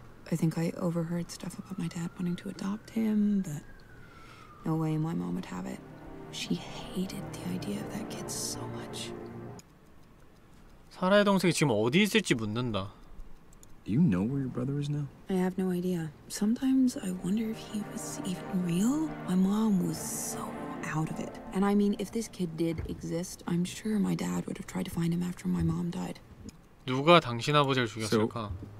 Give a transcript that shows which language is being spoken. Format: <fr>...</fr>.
<en>I think I overheard stuff about my dad wanting to adopt him, but no way my mom would have it. She hated the idea of that kid so much.</en> <ko>사라의 동생이 지금 어디 있을지 묻는다.</ko> <en>Do you know where your brother is now? I have no idea. Sometimes I wonder if he was even real. My mom was so out of it. And I mean, if this kid did exist, I'm sure my dad would have tried to find him after my mom died.</en> <ko>누가 당신 아버지를 죽였을까?</ko>